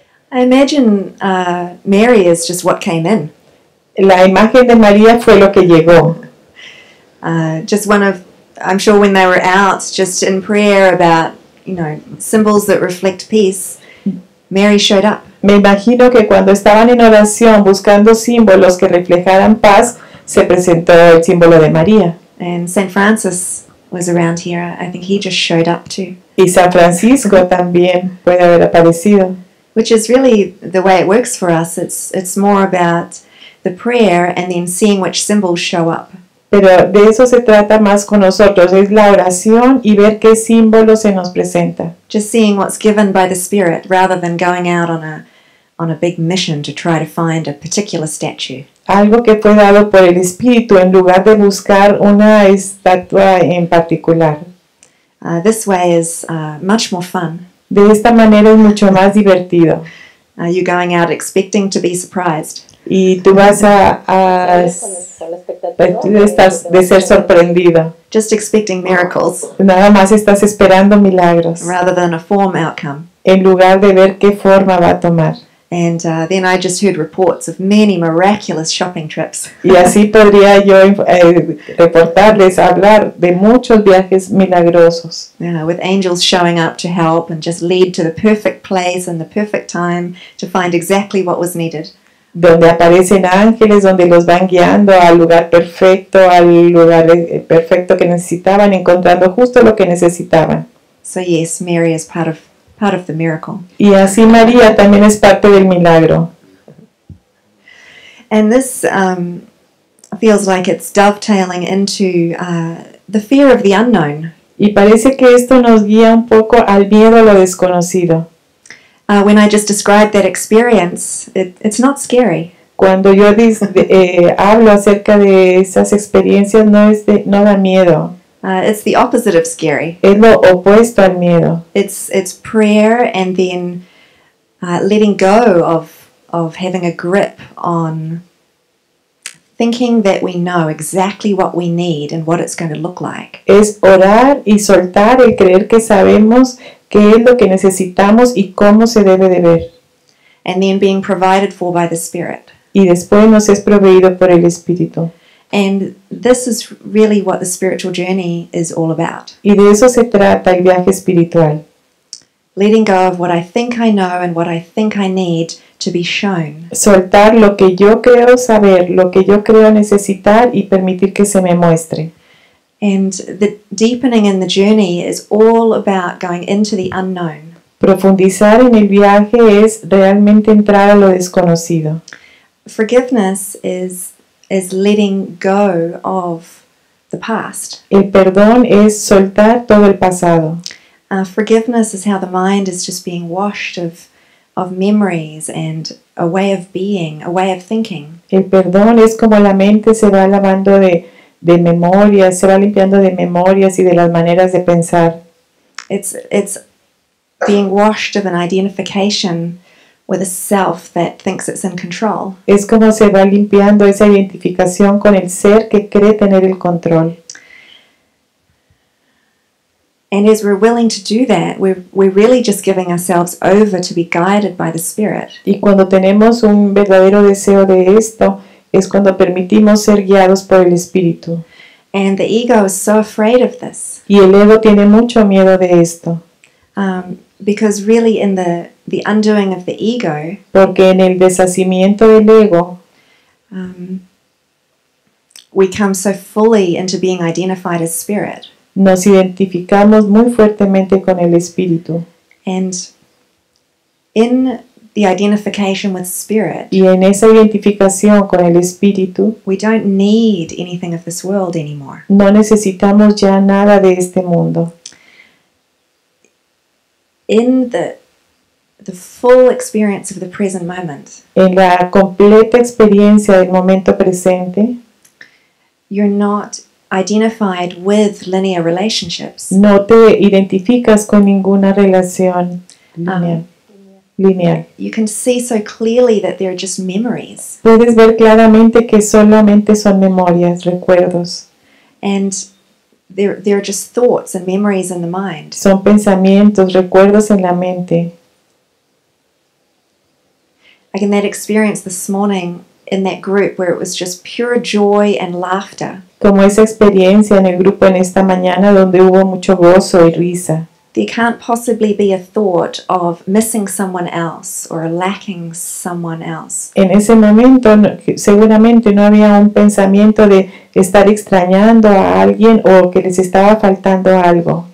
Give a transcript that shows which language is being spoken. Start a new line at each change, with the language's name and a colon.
English: I imagine Mary is just what came in.
Spanish: La imagen de María fue lo que llegó.
English: Just one of I'm sure when they were out just in prayer about, you know, symbols that reflect peace, Mary showed up.
Spanish: Me imagino que cuando estaban en oración buscando símbolos que reflejaran paz, se presentó el símbolo de María.
English: And Saint Francis was around here. I think he just showed up too.
Spanish: Y San Francisco también puede haber aparecido.
English: Which is really the way it works for us. It's more about the prayer and then seeing which symbols show up.
Spanish: Pero de eso se trata más con nosotros, es la oración y ver qué símbolo se nos presenta.
English: Just seeing what's given by the Spirit rather than going out on a big mission to try to find a particular statue.
Spanish: Algo que fue dado por el Espíritu en lugar de buscar una estatua en particular.
English: This way is much more fun.
Spanish: De esta manera es mucho más divertido.
English: Are you going out expecting to be surprised?
Spanish: Y tú vas de ser sorprendida.
English: Just expecting miracles.
Spanish: Nada más estás esperando milagros.
English: Rather than a form outcome.
Spanish: En lugar de ver qué forma va a tomar.
English: And then I just heard reports of many miraculous shopping trips.
Spanish: Y así podría yo reportarles, hablar de muchos viajes milagrosos.
English: You know, with angels showing up to help and just lead to the perfect place and the perfect time to find exactly what was needed.
Spanish: Donde aparecen ángeles, donde los van guiando al lugar perfecto que necesitaban, encontrando justo lo que necesitaban.
English: So yes, Mary is part of the miracle.
Spanish: Y así María también es parte del milagro.
English: And this feels like it's dovetailing into the fear of the unknown.
Spanish: Y parece que esto nos guía un poco al miedo a lo desconocido.
English: When I just described that experience, it's not scary.
Spanish: Cuando yo hablo acerca de esas experiencias, no da miedo.
English: It's the opposite of scary.
Spanish: Es lo opuesto al miedo.
English: It's prayer and then letting go of having a grip on thinking that we know exactly what we need and what it's going to look like.
Spanish: Es orar y soltar el creer que sabemos qué es lo que necesitamos y cómo se debe de ver.
English: And then being provided for by the Spirit.
Spanish: Y después nos es proveído por el Espíritu.
English: And this is really what the spiritual journey is all about.
Spanish: Y de eso se trata el viaje espiritual.
English: Letting go of what I think I know and what I think I need to be shown.
Spanish: Soltar lo que yo creo saber, lo que yo creo necesitar y permitir que se me muestre.
English: And the deepening in the journey is all about going into the unknown.
Spanish: Profundizar en el viaje es realmente entrar a lo desconocido.
English: Forgiveness is letting go of the past.
Spanish: El perdón es soltar todo el pasado.
English: Forgiveness is how the mind is just being washed of memories and a way of being, a way of thinking.
Spanish: El perdón es como la mente se va lavando de memorias, se va limpiando de memorias y de las maneras de pensar.
English: It's being washed of an identification with a self that thinks it's in control.
Spanish: Es como se va limpiando esa identificación con el ser que cree tener el control.
English: And as we're willing to do that, we're really just giving ourselves over to be guided by the Spirit.
Spanish: Y cuando tenemos un verdadero deseo de esto, es cuando permitimos ser guiados por el Espíritu.
English: And the ego is so afraid of this.
Spanish: Y el ego tiene mucho miedo de esto.
English: Because really in the undoing of the ego,
Spanish: porque en el deshacimiento del ego,
English: we come so fully into being identified as spirit.
Spanish: Nos identificamos muy fuertemente con el espíritu.
English: And in the identification with spirit,
Spanish: y en esa identificación con el espíritu,
English: we don't need anything of this world anymore.
Spanish: No necesitamos ya nada de este mundo.
English: In the full experience of the present moment.
Spanish: En la completa experiencia del momento presente.
English: You're not identified with linear relationships.
Spanish: No te identificas con ninguna relación lineal.
English: You can see so clearly that they're just memories.
Spanish: Puedes ver claramente que solamente son memorias, recuerdos.
English: And they're just thoughts and memories in the mind.
Spanish: Son pensamientos, recuerdos en la mente.
English: Like in that experience this morning in that group where it was just pure joy and laughter.
Spanish: como esa experiencia en el grupo en esta mañana donde hubo mucho gozo y risa.
English: There can't possibly be a thought of missing someone else or lacking someone else.
Spanish: En ese momento, seguramente no había un pensamiento de estar extrañando a alguien o que les estaba faltando algo.